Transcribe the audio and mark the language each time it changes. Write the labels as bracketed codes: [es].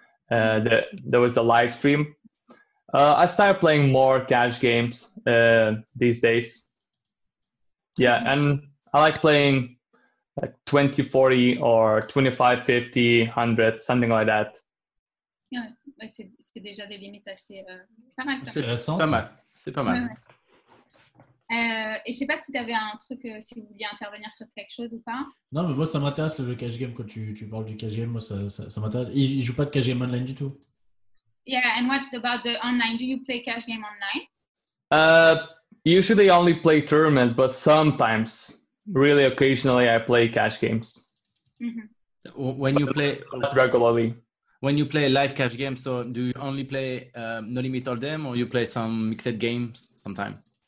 [en] There was a live stream. I started playing more cash games these days. Yeah, and I like playing like 20, 40 or 25, 50, 100, something like that. [fr] Yeah, c'est déjà des limites assez pas mal. C'est récent. Pas mal. C'est pas mal. Et je sais pas si tu avais un truc, si vous vouliez intervenir sur quelque chose ou pas. Non, mais moi ça m'intéresse le cash game. Quand tu parles du cash game, moi ça m'intéresse. Il joue pas de cash game online du tout. [en] Yeah, and what about the online? Do you play cash game online? Usually only play tournaments, but sometimes, really occasionally, I play cash games. Mm-hmm. When you play regularly. When you play live cash games, so do you only play No Limit Hold'em, or you play some mixed games sometimes?